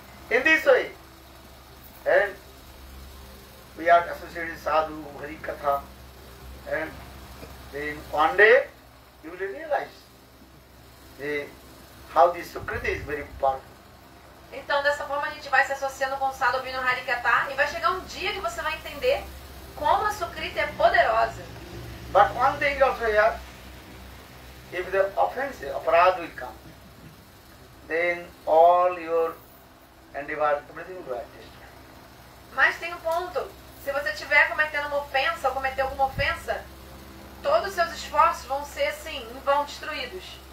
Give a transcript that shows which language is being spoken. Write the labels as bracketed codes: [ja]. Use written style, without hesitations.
[en] In this way, we are associated with Sadhu, Hari Katha, and then one day you will realize how this Sukriti is very important. [pt] Então, dessa forma, a gente vai se associando com o Sadhu, ouvindo Hari Katha, e vai chegar um dia que você vai entender como a Sukriti é poderosa. [en] But one thing also here, if the offense, aparadha will come, then all your endeavor, everything will be adjusted. [pt] Mas tem um ponto. Se você estiver cometendo uma ofensa, ou cometer alguma ofensa, todos os seus esforços vão ser, assim, vão destruídos.